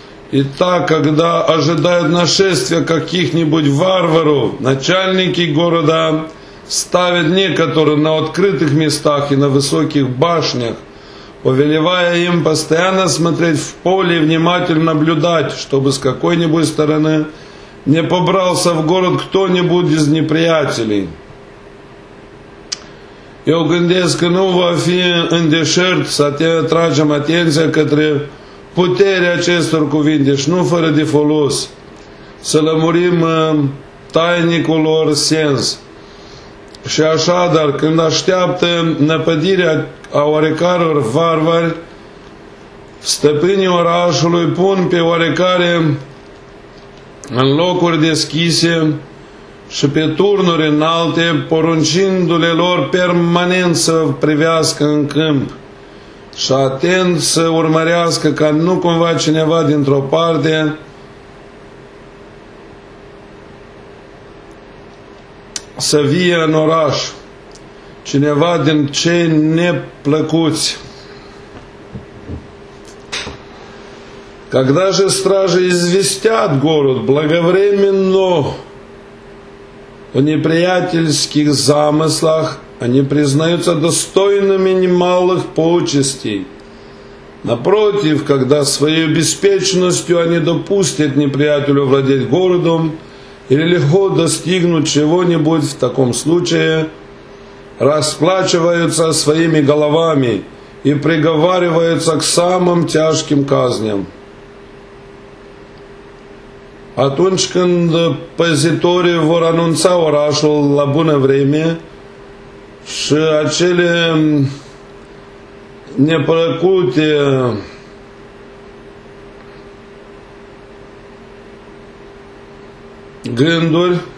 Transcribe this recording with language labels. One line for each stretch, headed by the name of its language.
Russian: И так, когда ожидают нашествия каких-нибудь варваров, начальники города ставят некоторые на открытых местах и на высоких башнях, повелевая им постоянно смотреть в поле и внимательно наблюдать, чтобы с какой-нибудь стороны не побрался в город кто-нибудь из неприятелей.
Romanian: Eu gândesc că nu va fi în deșert să atragem atenția către puterea acestor cuvinte și nu fără de folos să lămurim tainicul lor sens. Și așadar, când așteaptă năpădirea a oarecăror varvari, stăpânii orașului pun pe oarecare în locuri deschise și pe turnuri înalte, poruncindu-le lor permanent să privească în câmp și atent să urmărească ca nu cumva cineva dintr-o parte să vie în oraș, cineva din cei neplăcuți.
Russian: Когда же стражи известят город благовременно о неприятельских замыслах, они признаются достойными немалых почестей. Напротив, когда своей беспечностью они допустят неприятелю владеть городом или легко достигнуть чего-нибудь, в таком случае расплачиваются своими головами и приговариваются к самым тяжким казням.
Romanian: Atunci când păzitorii vor anunța orașul la bună vreme și acele neplăcute gânduri